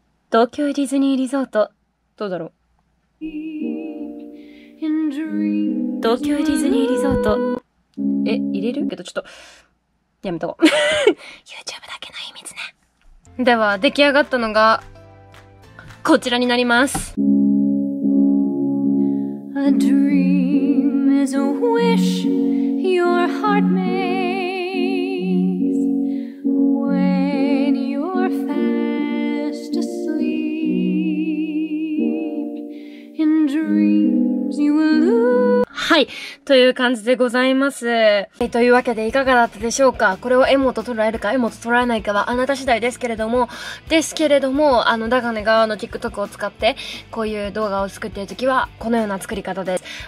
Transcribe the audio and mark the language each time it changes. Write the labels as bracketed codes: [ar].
[ja] 東京ディズニーリゾート、どうだろう。東京ディズニーリゾート、え、入れるけどちょっとやめとこう。 YouTube だけの秘密ね。では出来上がったのがこちらになります。 [en] A dream is a wish your heart makes when you're fast asleep. In dreams you will lose. [ja] はい、という感じでございます。というわけでいかがだったでしょうか。これをエモと捉えるかエモと捉えないかはあなた次第ですけれども、ダガネが TikTok を使ってこういう動画を作っているときはこのような作り方です。